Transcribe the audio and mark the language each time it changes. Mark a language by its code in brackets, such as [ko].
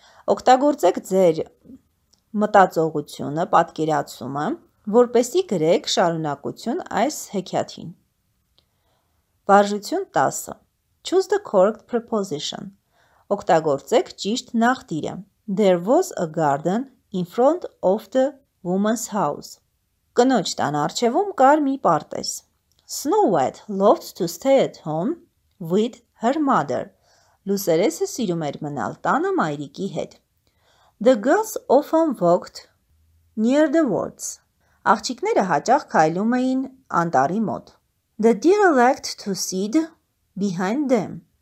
[hy] Օգտագործեք ձեր մտածողությունը, պատկերացումը, որպեսի գրեք շարունակություն այս հեքիաթին։ Վարժություն 10. [en] Choose the correct preposition. [hy] Օգտագործեք ճիշտ նախտիրը. [en] There was a garden in front of the woman's house. [hy] Կնոջ տան առջևում կար մի պարտեզ։ [en] Snow White loved to stay at home with her mother. [hy] Լուսերեսը սիրում էր մնալ տանը մայրիկի հետ։ [en] The girls often walked near the woods. [hy] Աղջիկները հաճախ քայլում էին անտառի մոտ։ [en] The deer liked to sit behind them.